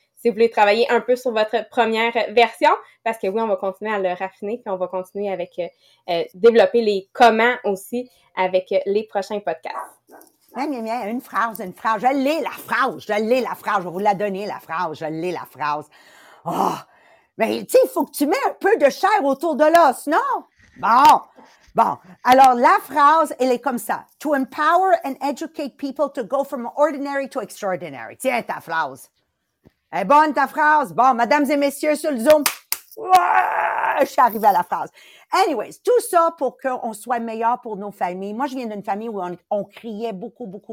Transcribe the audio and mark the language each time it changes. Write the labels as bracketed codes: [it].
[fr] Si vous voulez travailler un peu sur votre première version, parce que oui, on va continuer à le raffiner, puis on va continuer avec développer les comment aussi avec les prochains podcasts. Une phrase. Je l'ai la phrase. Je vais vous la donner, la phrase. Oh! Mais tu sais, il faut que tu mets un peu de chair autour de l'os, non? Bon. Alors, la phrase, elle est comme ça. [en] To empower and educate people to go from ordinary to extraordinary. [fr] Tiens ta phrase. Est bonne ta phrase? Bon, mesdames et messieurs sur le Zoom, ouah, je suis arrivée à la phrase. Anyways, tout ça pour qu'on soit meilleur pour nos familles. Moi, je viens d'une famille où on criait beaucoup.